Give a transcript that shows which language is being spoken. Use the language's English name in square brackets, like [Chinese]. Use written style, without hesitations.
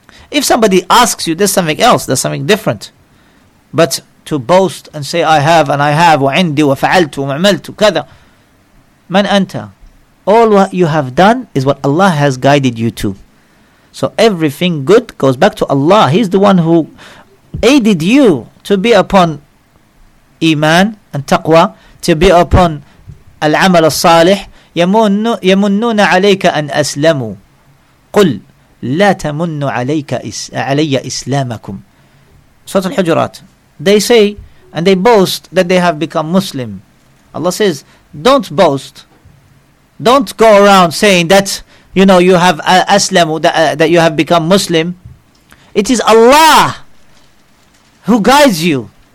[English] If somebody asks you, there's something else, there's something different. But to boast and say, I have, [Arabic] وعندي وفعلت وعملت كذا, من أنت? [English] All what you have done is what Allah has guided you to. So everything good goes back to Allah. He's the one who aided you to be upon iman and taqwa, to be upon al-amal al-salih. [Arabic] يمنون عليك أن أسلموا قل لا تمنوا عليك علي إسلامكم. [English] Surah Al-Hujurat. They say and they boast that they have become Muslim. Allah says, don't boast. Don't go around saying that, you know, you have aslamu, that you have become Muslim. It is Allah who guides you.